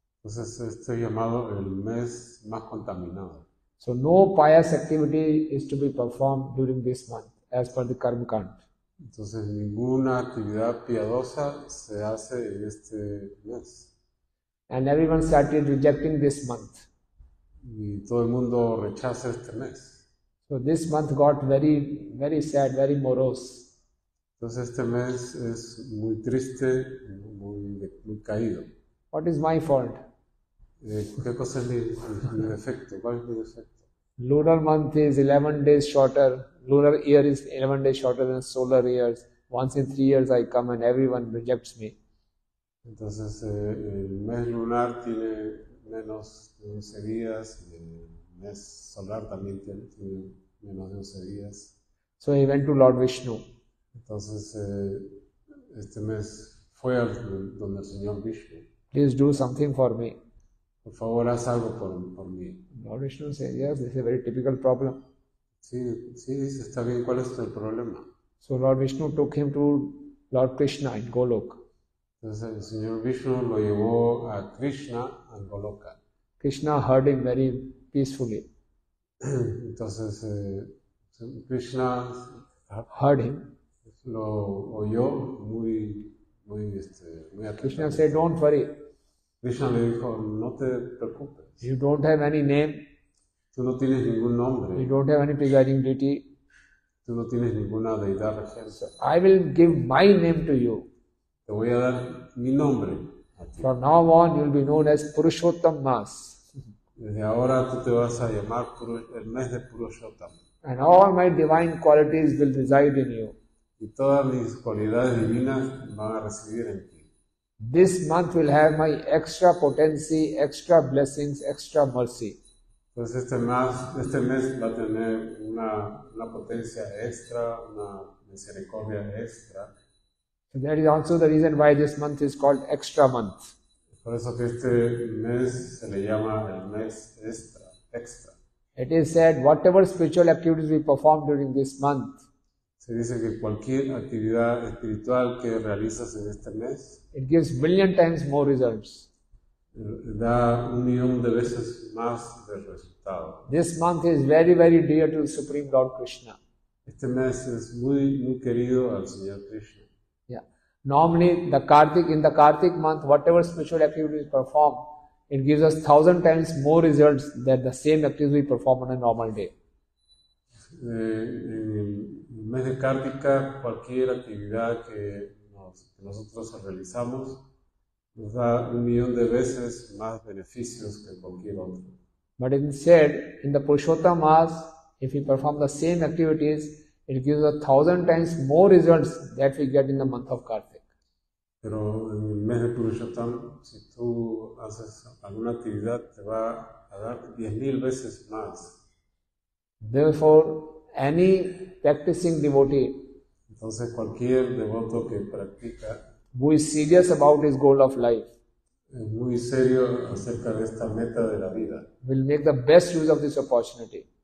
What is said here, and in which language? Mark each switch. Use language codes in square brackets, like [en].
[es] Entonces, esto es llamado el mes más contaminado. [en] So, no pious activity is to be performed during this month, as per the karma kanda. [es] Entonces, ninguna actividad piadosa se hace en este mes. [en] And everyone started rejecting this month. [es] Y todo el mundo rechaza este mes. [en] So this month got very, very sad, very morose. [es] Entonces este mes es muy triste, muy caído. [en] What is my fault? [es] ¿Qué cosa es mi defecto? ¿Cuál es mi defecto? [en] Lunar month is 11 days shorter. Lunar year is 11 days shorter than solar years. Once in 3 years I come and everyone rejects me. [es] Entonces el mes lunar tiene menos de 11 días, y el mes solar también tiene menos de 11 días. [en] So he went to Lord Vishnu. [es] Entonces este mes fue al donde el señor Vishnu. [en] Please do something for me. [es] Por favor, haz algo por mí. [en] Lord Vishnu said, yes, this is a very typical problem. [es] Sí, dice, está bien, ¿cuál es el problema? [en] So Lord Vishnu took him to Lord Krishna in Golok. [es] Entonces el señor Vishnu lo llevó a Krishna en Goloka. [en] Krishna heard him very peacefully. [es] Entonces Krishna [en] heard him. [es] Lo oyó muy, muy, muy atento. [en] Krishna said, don't worry. [es] Krishna le dijo, no te preocupes. [en] You don't have any name. [es] Tú no tienes ningún nombre. [en] You don't have any presiding deity. [es] Tú no tienes ninguna deidad. [en] I will give my name to you. [es] Te voy a dar mi nombre. [en] From now on, you will be known as Purushottam Mas. [es] Desde ahora, tú te vas a llamar el mes de Purushottam. [en] And all my divine qualities will reside in you. [es] Y todas mis cualidades divinas van a residir en ti. [en] This month will have my extra potency, extra blessings, extra mercy. [es] Entonces este mes va a tener una potencia extra, una misericordia extra. [en] And that is also the reason why this month is called extra month. [es] Por eso que este mes se le llama el mes extra, extra. [en] It is said whatever spiritual activities we perform during this month. [es] Se dice que cualquier actividad espiritual que realizas en este mes. [en] It gives million times more results. [es] Da un millón de veces más de resultado. [en] This month is very, very dear to the Supreme Lord Krishna. [es] Este mes es muy, muy querido al Señor Krishna. [en] Yeah. Normally, in the Kartik month, whatever spiritual activities we perform, it gives us 1,000 times more results than the same activities we perform on a normal day. [es] En el mes de Kartika, cualquier actividad que nosotros realizamos, nos da un millón de veces más beneficios que cualquier otro. [en] But instead, in the Purushottam Mas, if we perform the same activities, it gives 1,000 times more results that we get in the month of Kartik. [es] Pero en el mes de Purushottam, si tú haces alguna actividad, te va a dar 10,000 veces más. [en] Therefore, any practicing devotee, [es] entonces cualquier devoto que practica, [en] who is serious about his goal of life, [es] muy serio acerca de esta meta de la vida, [en] will make the best use of this opportunity.